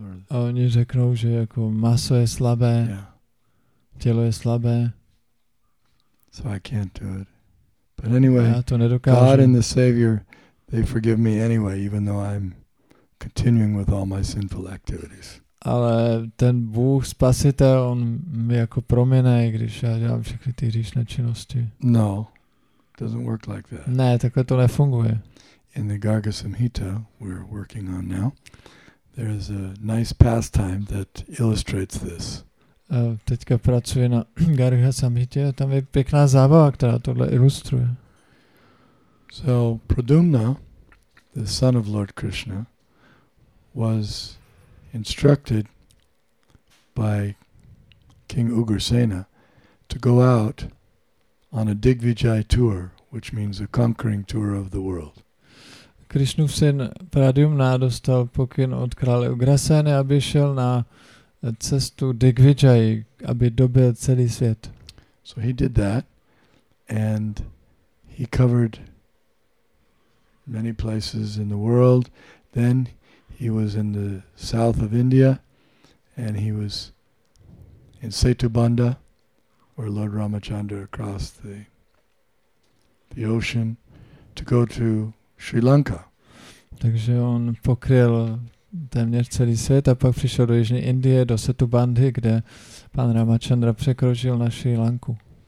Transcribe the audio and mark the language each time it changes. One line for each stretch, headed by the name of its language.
Czech: A oni řeknou, že jako maso je slabé, tělo je slabé.
English: So I can't do it. But anyway, God and the Savior, they forgive me anyway, even though I'm continuing with all my sinful activities.
Czech: Ale ten Bůh spasitel, on mi jako promine, když já dělám všechny ty hříšné činnosti.
English: No, doesn't work like that.
Czech: Ne, takhle to nefunguje.
English: In the Garga Samhita we're working on now, there is a nice pastime that illustrates this.
Czech: Teďka pracuji na Garga Samhitě a tam je pěkná zábava, která tohle ilustruje.
English: So Pradumna, the son of Lord Krishna, was instructed by King Ugrasena to go out on a Digvijay tour, which means a conquering tour of the world.
Czech: Krishnův syn Pradyumna dostal pokyn od krále Ugrasena, aby šel na cestu Digvijay, aby dobil celý svět.
English: So he did that, and he covered many places in the world. Then he was in the south of India, and he was in Setubandha, where Lord Ramachandra crossed the ocean to go to Sri Lanka.
Czech: Takže on pokryl téměř celý svět a pak přišel do jižní Indie, do Setubandhy, kde pan Ramachandra překročil na Sri Lanku.